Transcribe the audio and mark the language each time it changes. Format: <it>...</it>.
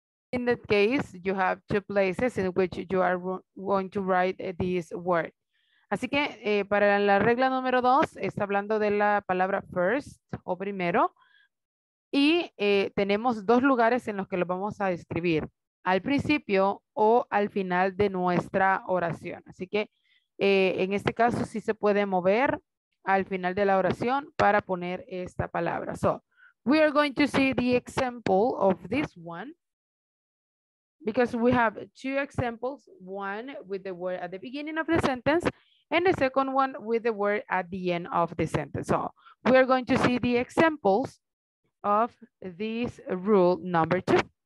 <en>In that case, you have two places in which you are going to write this word.</en> <es>Así que para la regla número dos, está hablando de la palabra first o primero. Y tenemos dos lugares en los que lo vamos a escribir. Al principio o al final de nuestra oración. Así que en este caso sí se puede mover al final de la oración para poner esta palabra.</es> <en>So, we are going to see the example of this one. Because we have two examples, one with the word at the beginning of the sentence and the second one with the word at the end of the sentence. So we're going to see the examples of this rule number two.</en>